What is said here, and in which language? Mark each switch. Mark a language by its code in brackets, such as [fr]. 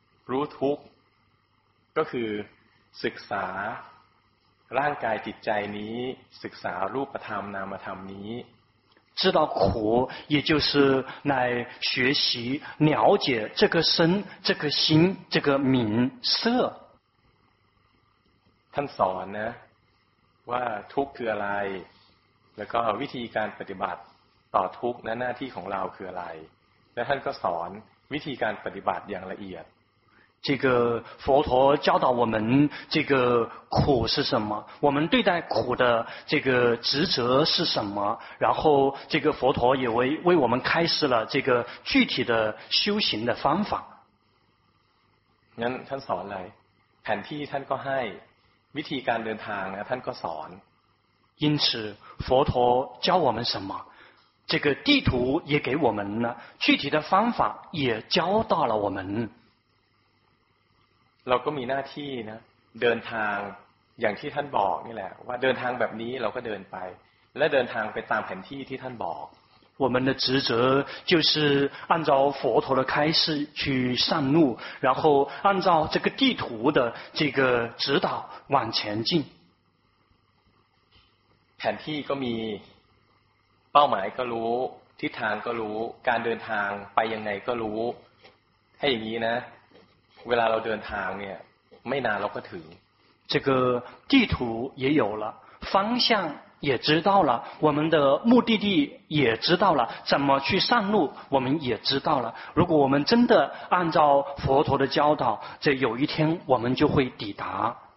[th] รู้ทุกข์ก็คือศึกษาร่างกายจิตใจนี้ศึกษารูปธรรมนามธรรมนี้ [zh] 知道苦也就是来学习了解这个身这个心这个名色 [th] ท่านสอนนะว่าทุกข์คืออะไรแล้วก็วิธีการปฏิบัติต่อทุกข์นั้นหน้าที่ของเราคืออะไรและท่านก็สอนวิธีการปฏิบัติอย่างละเอียด [zh] 这个佛陀教导我们这个苦是什么我们对待苦的这个职责是什么然后这个佛陀也为我们开示了这个具体的修行的方法 [th] งั้นท่านสอนอะไรแผนที่ท่านก็ให้วิธีการเดินทางนะท่านก็สอน [zh] 因此佛陀教我们什么这个地图也给我们了具体的方法也教到了我们 [th] เราก็มีหน้าที่นะเดินทางอย่างที่ท่านบอกนี่แหละว่าเดินทางแบบนี้เราก็เดินไปและเดินทางไปตามแผนที่ที่ท่านบอก [zh] 我们的职责就是按照佛陀的开示去上路然后按照这个地图的这个指导往前进 [th] แผนที่ก็มีเป้าหมายก็รู้ทิศทางก็รู้การเดินทางไปยังไงก็รู้ให้อย่างนี้นะเวลาเราเดินทางเนี่ยไม่นานเราก็ถึง [zh] 这个地图也有了方向也知道了我们的目的地也知道了怎么去上路我们也知道了如果我们真的按照佛陀的教导这有一天我们就会抵达